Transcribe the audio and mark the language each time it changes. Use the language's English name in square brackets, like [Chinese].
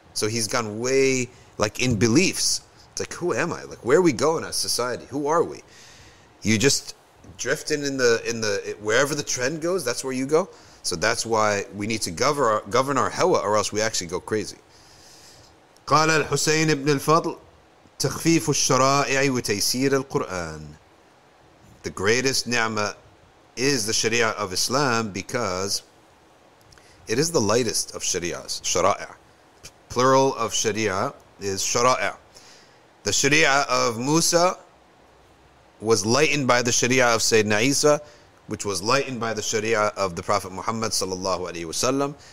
[English] So he's gone way, like, in beliefs. It's like, who am I? Like, where are we going as society? Who are we? You just drift in the wherever the trend goes, that's where you go. So that's why we need to govern our hawa, or else we actually go crazy. [Arabic] قال الحسين بن الفضل تخفيف الشرائع وتيسير القرآن. [English] The greatest ni'mah is the sharia of Islam because it is the lightest of sharia's, shara'a. Plural of sharia is shara'a. The sharia of Musa was lightened by the sharia of Sayyidina Isa, which was lightened by the sharia of the Prophet Muhammad sallallahu alayhi wasallam.